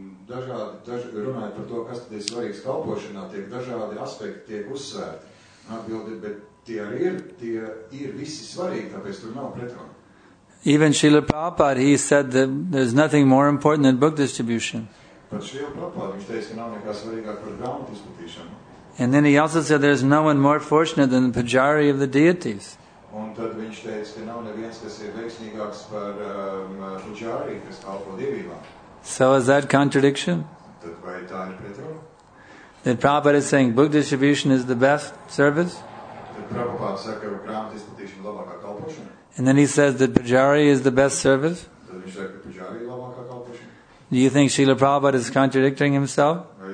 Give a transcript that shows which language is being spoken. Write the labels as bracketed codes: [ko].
[lv] Runājot par to, kas tad ir svarīgs kalpošanā, tiek dažādi aspekti, tiek uzsvērti, atbildi, bet tie ir visi svarīgi, tāpēc tur nav pretruna. [en] Even Srila Prabhupada, he said that there's nothing more important than book distribution. [lv] Pat Srila Prabhupāda, viņš teica, ka nav nekā svarīgāk par grāmatu izplatīšanu. [en] And then he also said, there's no one more fortunate than the pujari of the deities. [lv] Un tad viņš teica, ka nav neviens, kas ir veiksmīgāks par pujari, kas kalpo dievībā. [en] So is that contradiction? [lv] Tad vai tā ir pretruna? [en] Then Prabhupāda is saying, book distribution is the best service? [lv] Tad Prabhupāda saka, ka grāmatu izplatīšana labākā kalpošana. [en] And then he says that pujari is the best service? [lv] Tad viņš saka, ka pujari ir labākā kalpošana. [en] Do you think Srila Prabhupada is contradicting himself?